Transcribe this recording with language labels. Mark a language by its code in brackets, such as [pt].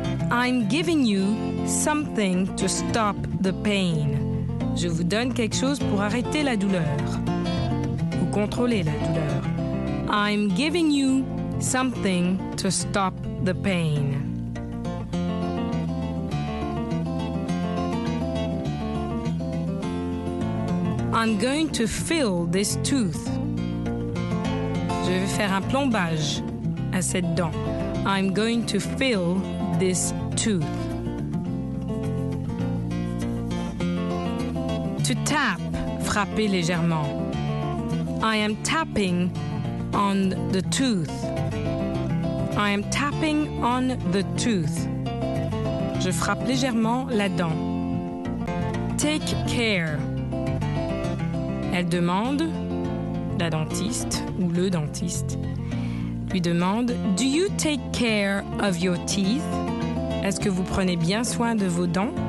[en] I'm giving you something to stop the pain. [fr] Je vous donne quelque chose pour arrêter la douleur. Ou contrôler la douleur. [en] I'm giving you something to stop the pain. I'm going to fill this tooth. [fr] Je vais faire un plombage à cette dent. [en] I'm going to fill this tooth. [fr] To tap, frapper légèrement. [en] I am tapping on the tooth. I am tapping on the tooth. [fr] Je frappe légèrement la dent. [en] Take care. [fr] Elle demande, la dentiste ou le dentiste, lui demande, « [en] Do you take care of your teeth? [fr] » Est-ce que vous prenez bien soin de vos dents?